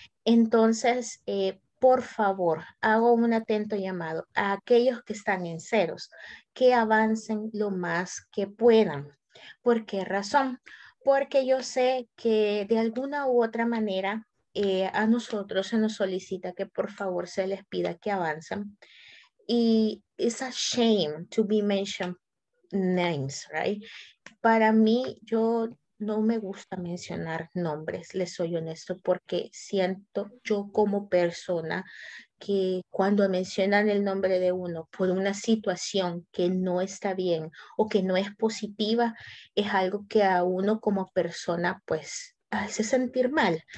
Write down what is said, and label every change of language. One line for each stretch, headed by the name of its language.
Spanish: Entonces, por favor, hago un atento llamado a aquellos que están en ceros, que avancen lo más que puedan. ¿Por qué razón? Porque yo sé que de alguna u otra manera a nosotros se nos solicita que por favor se les pida que avancen.
English: Y it's a shame to be mentioned names, right?
Spanish: Para mí, yo no me gusta mencionar nombres, les soy honesto, porque siento yo como persona que cuando mencionan el nombre de uno por una situación que no está bien o que no es positiva, es algo que a uno como persona, pues, hace sentir mal.